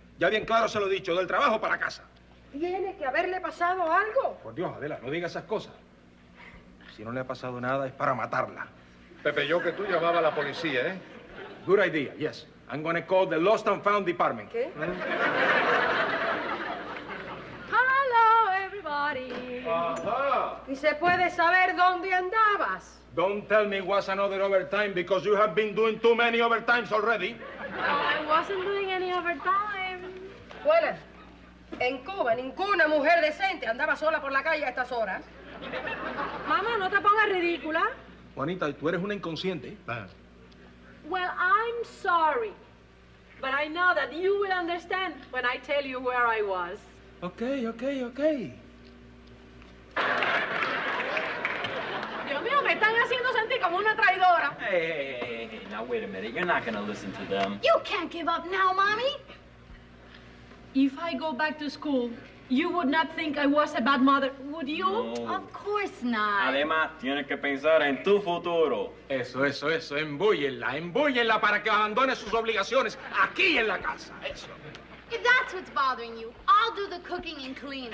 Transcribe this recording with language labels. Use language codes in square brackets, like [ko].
[es] Ya bien claro se lo he dicho, del trabajo para casa. Tiene que haberle pasado algo. Por Dios, Adela, no diga esas cosas. Si no le ha pasado nada, es para matarla. Pepe, yo que tú llamaba a la policía, ¿eh? [en] Good idea, yes. I'm gonna call the Lost and Found Department. [es] ¿Qué? Uh-huh. ¿Y se puede saber dónde andabas? [en] Don't tell me it was another overtime because you have been doing too many overtimes already. No, I wasn't doing any overtime. [es] Bueno, en Cuba ninguna mujer decente andaba sola por la calle a estas horas. Mamá, no te pongas ridícula. Juanita, tú eres una inconsciente. [en] Well, I'm sorry, but I know that you will understand when I tell you where I was. Okay. [es] Dios mío, me están haciendo sentir como una traidora. [en] Hey, now wait a minute. You're not going to listen to them. You can't give up now, mommy. If I go back to school, you would not think I was a bad mother, would you? No. Of course not. [es] Además, tienes que pensar en tu futuro. Eso. Embúyenla para que abandone sus obligaciones aquí en la casa. Eso. [en] If that's what's bothering you, I'll do the cooking and cleaning.